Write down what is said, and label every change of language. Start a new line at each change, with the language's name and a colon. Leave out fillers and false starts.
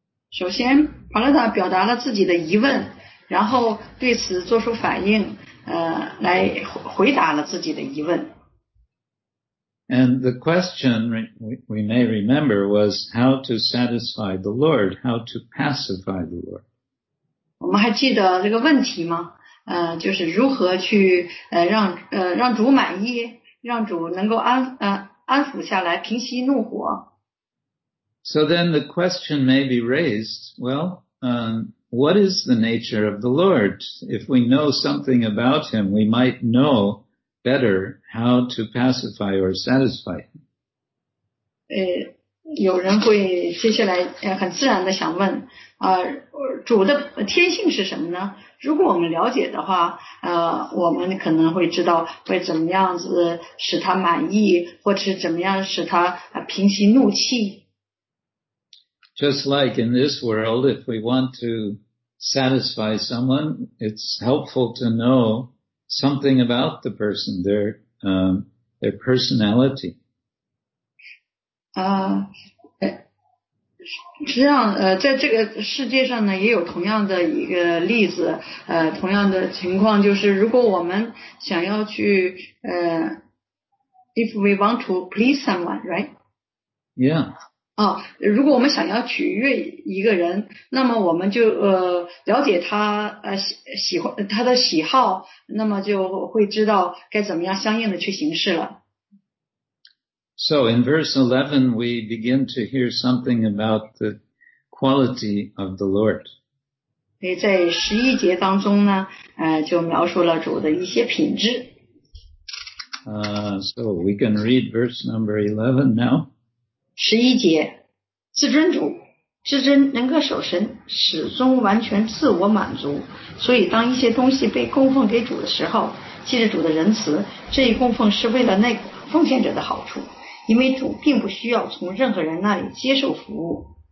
Chinese: 首先 Prahlad 表达了自己的疑问，然后对此做出反应，来回答了自己的疑问。
English: And the question, we may remember, was how to satisfy the Lord, how to pacify the Lord.
Chinese: 我们还记得这个问题吗？就是如何去让主满意，让主能够安抚下来，平息怒火。
English: So then the question may be raised, what is the nature of the Lord? If we know something about him, we might know better how to pacify or satisfy him.
Chinese: 有人会接下来很自然的想问，主的天性是什么呢？如果我们了解的话，我们可能会知道会怎么样子使他满意，或者是怎么样使他平息怒气。
English: Just like in this world, if we want to satisfy someone, it's helpful to know something about the person, their personality.
Chinese: 实际上在这个世界上呢也有同样的一个例子，同样的情况就是如果我们想要去
English: if we want to please someone, right? Yeah.
Chinese: 如果我们想要取悦一个人，那么我们就了解他喜欢他的喜好，那么就会知道该怎么样相应的去行事了。
English: So in verse 11, we begin to hear something about the quality of the Lord.
Chinese: 在11节当中呢，就描述了主的一些品质。
English: So we can read verse number 11 now.
Chinese: 十一节，至尊主，至尊能歌守神，始终完全自我满足，所以当一些东西被供奉给主的时候，借着主的仁慈，这一供奉是为了那个奉献者的好处，因为主并不需要从任何人那里接受服务。